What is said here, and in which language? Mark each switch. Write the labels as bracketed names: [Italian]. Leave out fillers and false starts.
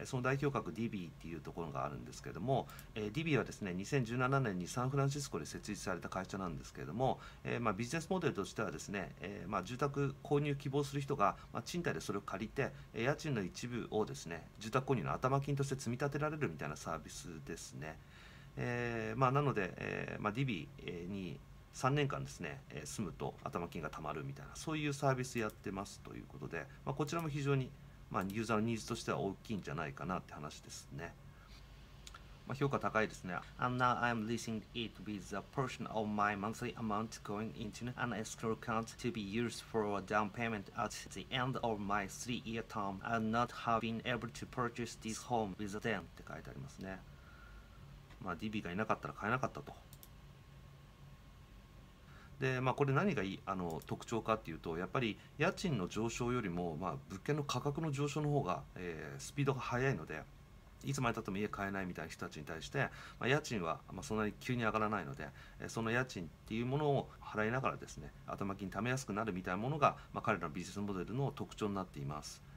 [Japanese] その代表格 DB っていうところがあるんですけれども、DB はですね、2017年にサンフランシスコで設立された会社なんですけれども、ビジネスモデルとしてはですね、住宅購入希望する人が、賃貸でそれを借りて、家賃の一部をですね、住宅購入の頭金として積み立てられるみたいなサービスですね。なので、DB に3年間ですね、住むと頭金が貯まるみたいな、そういうサービスやってますということで、こちらも非常に、ユーザーのニーズとしては大きいんじゃないかなって話ですね。評価高いですね。 [English] And now I'm leasing it with a portion of my monthly amount going into an escrow account to be used for a down payment at the end of my 3-year term and not having able to purchase this home with a down [Japanese] って書いてありますね。 DB がいなかったら買えなかったと。で、これ何がいい特徴かっていうと、やっぱり家賃の上昇よりも、物件の価格の上昇の方が、スピードが速いので、いつまでたっても家買えないみたいな人たちに対して、まあ、家賃はまあそんなに急に上がらないので、その家賃っていうものを払いながらですね、頭金貯めやすくなるみたいなものが、まあ、彼らのビジネスモデルの特徴になっています。